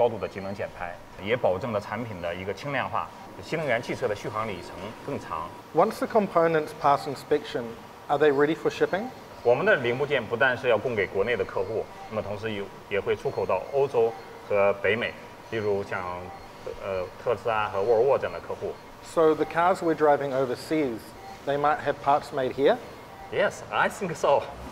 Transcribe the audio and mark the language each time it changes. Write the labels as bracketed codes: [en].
[zh] 铝合金压铸的话，它是一个高度集成的过程。原本由10个20个工序生产的零件，那高度集成为一个零件，起到了一个高度的节能减排，也保证了产品的一个轻量化。新能源汽车的续航里程更长。 [en] Once the components pass inspection, are they ready for shipping? [zh] 我们的零部件不但是要供给国内的客户，那么同时也会出口到欧洲和北美，例如像特斯拉和沃尔沃这样的客户。 [en] So the cars we're driving overseas, they might have parts made here? Yes, I think so.